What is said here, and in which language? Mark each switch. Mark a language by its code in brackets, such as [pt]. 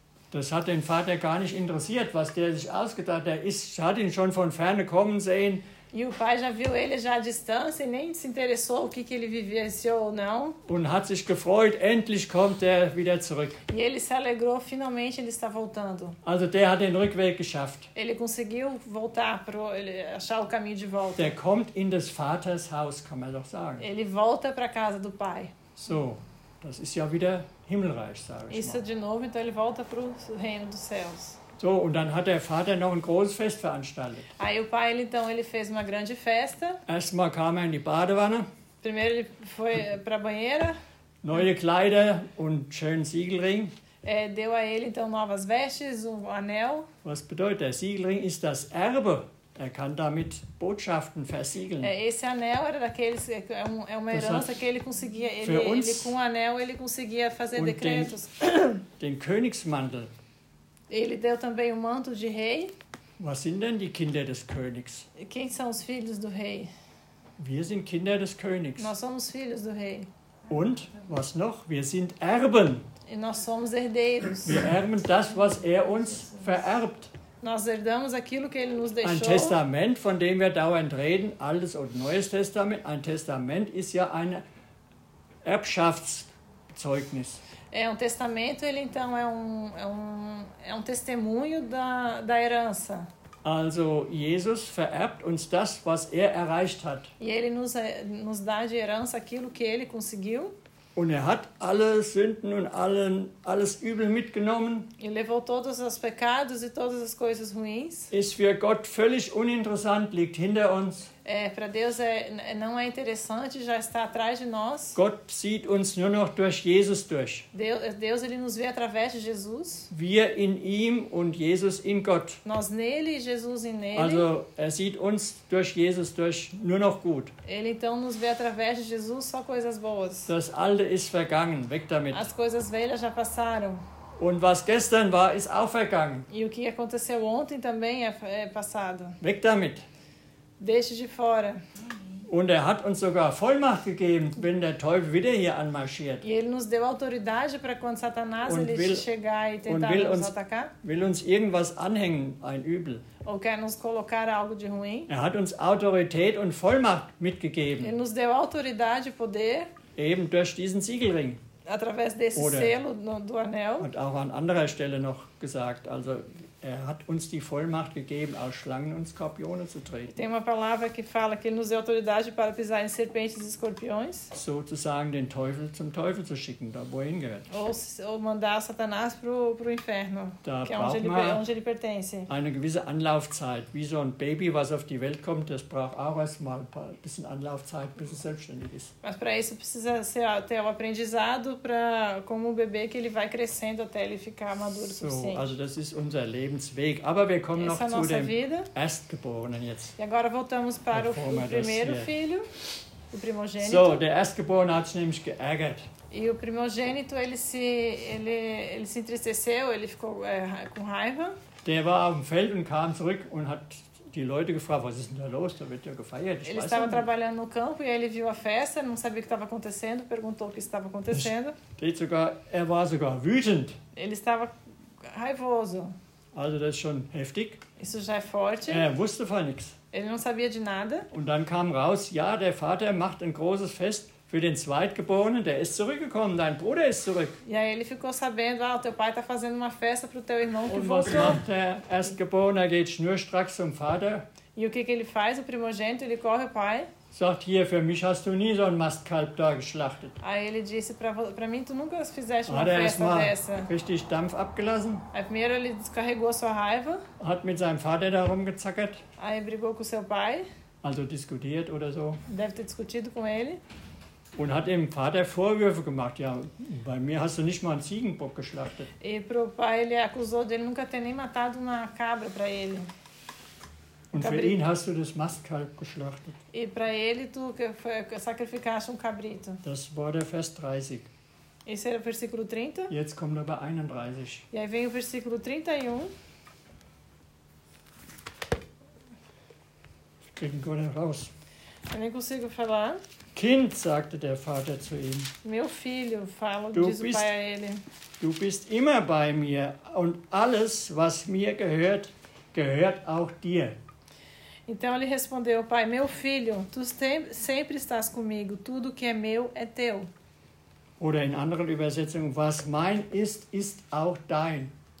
[de] Das hat den Vater gar nicht interessiert, was der sich ausgedacht hat. Ich hatte ihn schon von ferne kommen sehen. [pt] E o pai já viu ele já à distância e nem se interessou o que que ele vivenciou ou não. [de] Und hat sich gefreut, endlich kommt er wieder zurück. [pt] E ele se alegrou, finalmente ele está voltando. [de] Also der hat den Rückweg geschafft. [pt] Ele conseguiu voltar para achar o caminho de volta. [de] Der kommt in des Vaters Haus, kann man doch sagen. [pt] Ele volta para casa do pai. [de] So, das ist ja wieder Himmelreich, sage ich. [pt] Isso de novo, então ele volta para o reino dos céus. [de] So, und dann hat der Vater noch ein großes Fest veranstaltet. [pt] Aí o pai, ele fez uma grande festa. [de] Erstmal kam er in die Badewanne. [pt] Primeiro ele foi para a banheira. [de] Neue Kleider und schönen Siegelring. [pt] Deu a ele, então, novas vestes, um anel. [de] Was bedeutet, der Siegelring ist das Erbe. Er kann damit Botschaften versiegeln. [pt] Esse anel era daqueles, é uma herança que ele conseguia, ele com o anel ele conseguia fazer decretos. [de] Den Königsmantel. [pt] Ele deu também o manto de rei. [de] Was sind denn die Kinder des Königs? [pt] Quem são os filhos do rei? [de] Wir sind Kinder des Königs. [pt] Nós somos filhos do rei. [de] Und was noch? Wir sind Erben. [pt] E nós somos herdeiros. [de] Wir erben das, was er uns vererbt. [pt] Nós herdamos aquilo que ele nos deixou. [de] Ein Testament, von dem wir dauernd reden, altes und neues Testament, ein Testament ist ja ein Erbschaftszeugnis. [pt] Um testamento, ele então é um testemunho da herança. [de] Also Jesus vererbt uns das, was er erreicht hat. [pt] E ele nos dá de herança aquilo que ele conseguiu. [de] Und er hat alle Sünden und alles Übel mitgenommen. [pt] Er levou todos os pecados e todas as coisas ruins. [de] Ist für Gott völlig uninteressant, liegt hinter uns. [pt] Para Deus não é interessante, já está atrás de nós. [de] Gott sieht uns nur noch durch Jesus durch. [pt] Deus ele nos vê através de Jesus. [de] Wir in ihm und Jesus in Gott. [pt] Nós nele e Jesus in nele. [de] Also er sieht uns durch Jesus durch nur noch gut. [pt] Ele então nos vê através de Jesus só coisas boas. [de] Das Alte ist vergangen, weg damit. [pt] As coisas velhas já passaram. [de] Und was gestern war, ist auch vergangen. [pt] E o que aconteceu ontem também é passado. [de] Weg damit. [pt] Deixe de fora. [de] Und hat uns sogar Vollmacht gegeben, wenn der Teufel wieder hier anmarschiert. [pt] E ele nos deu autoridade para quando Satanás ele chegar e tentar nos atacar. [de] Will uns irgendwas anhängen, ein Übel. [pt] Ou quer nos colocar algo de ruim. [de] Er hat uns Autorität und Vollmacht mitgegeben. [pt] Ele nos deu autoridade e poder. [de] Eben durch diesen Siegelring. [pt] Através desse selo do anel. [de] Und auch an anderer Stelle noch gesagt, also er hat uns die Vollmacht gegeben, aus Schlangen und Skorpionen zu treten. [pt] Tem uma palavra que fala que ele nos deu autoridade para pisar em serpentes e escorpiões. [de] Sozusagen den Teufel zum Teufel zu schicken, da wo er hingehört. [pt] Ou mandar Satanás pro inferno, da que é onde ele pertence. [de] Eine gewisse Anlaufzeit, wie so ein Baby, was auf die Welt kommt, das braucht auch erstmal ein bisschen Anlaufzeit, bis es selbstständig ist. [pt] Mas para isso precisa ter o aprendizado para como o bebê que ele vai crescendo até ele ficar maduro suficiente. [de] Also das ist unser Leben. Lebensweg, aber wir kommen [pt] essa [de] noch zu dem [pt] vida. [de] Erstgeborenen jetzt. [pt] E agora voltamos para o primeiro filho, o primogênito. [de] So, der Erstgeborene hat sich nämlich geärgert. [pt] E o primogênito, ele se entristeceu, ele ficou com raiva. [de] Der war auf dem Feld und kam zurück und hat die Leute gefragt, was ist denn da los? Da wird ja gefeiert. [pt] Ele estava trabalhando no campo e ele viu a festa, não sabia o que estava acontecendo, perguntou o que estava acontecendo. [de] Er war sogar wütend. [pt] Ele estava raivoso. [de] Also das ist schon heftig. [pt] Isso já é forte. [de] Er wusste von nichts. [pt] Ele não sabia de nada. [de] Und dann kam raus, ja, der Vater macht ein großes Fest für den Zweitgeborenen, der ist zurückgekommen, dein Bruder ist zurück. [pt] E aí ele ficou sabendo, ah, teu pai tá fazendo uma festa pro teu irmão que voltou. [de] Und was macht der Erstgeborene? Er geht schnurstracks zum Vater. [pt] E o que que ele faz, o primogênito? Ele corre ao pai. [de] Sagt hier, für mich hast du nie so ein Mastkalb da geschlachtet. [pt] Aí ele disse, pra mim, tu nunca fizeste uma festa dessa. [de] Hat er erstmal richtig Dampf abgelassen. [pt] Aí primeiro ele descarregou sua raiva. [de] Hat mit seinem Vater da rumgezackert. [pt] Aí brigou com seu pai. [de] Also diskutiert oder so. [pt] Deve ter discutido com ele. [de] Und hat dem Vater Vorwürfe gemacht. Ja, bei mir hast du nicht mal einen Ziegenbock geschlachtet. [pt] E pro pai ele acusou de ele nunca ter nem matado uma cabra pra ele. [de] Und für ihn hast du das Mastkalb geschlachtet. [pt] E para ele tu sacrificaste cabrito. [de] Das war der Vers 30. [pt] Esse era o versículo 30. [de] Jetzt kommt aber 31. [pt] E aí vem o versículo 31. [de] Ich krieg raus. [pt] Eu nem consigo falar. [de] Kind, sagte der Vater zu ihm. [pt] Meu filho, fala, diz o pai a ele. [de] Du bist immer bei mir und alles, was mir gehört, gehört auch dir. [pt] Então ele respondeu, pai, meu filho, tu sempre estás comigo, tudo que é meu é teu. [de] Oder in anderen Übersetzungen, was mein ist, ist auch dein.